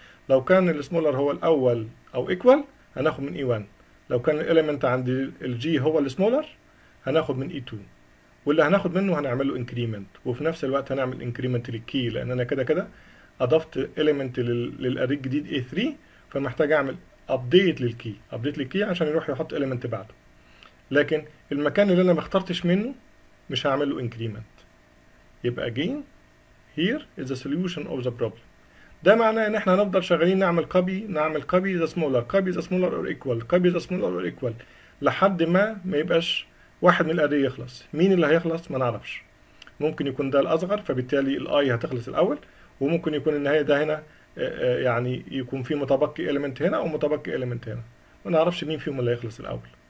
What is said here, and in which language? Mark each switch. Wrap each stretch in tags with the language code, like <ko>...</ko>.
<ar>لو كان ال smaller هو الاول او equal هناخد من E1، لو كان الاليمنت عند الG هو السمولر هناخد من E2، واللي هناخد منه هنعمل له انكريمنت، وفي نفس الوقت هنعمل انكريمنت للكي لان انا كده كده اضفت اليمنت للاري الجديد A3 فمحتاج اعمل ابديت للكي، ابديت للكي عشان يروح يحط اليمنت بعده، لكن المكان اللي انا ما اخترتش منه مش هعمل له انكريمنت.</ar> <en>يبقى again here is the solution of the problem.</en> <ar>ده معناه ان احنا هنفضل شغالين نعمل كوبي ذا سمولر،</ar> <en>copy the smaller or equal,</en> <ar>كوبي ذا سمولر اور ايكوال لحد ما يبقاش واحد من الاري يخلص. مين اللي هيخلص ما نعرفش، ممكن يكون ده الاصغر فبالتالي الاي هتخلص الاول، وممكن يكون النهايه ده هنا يعني يكون في متبقي اليمنت هنا او متبقي اليمنت هنا، ما نعرفش مين فيهم اللي هيخلص الاول.</ar>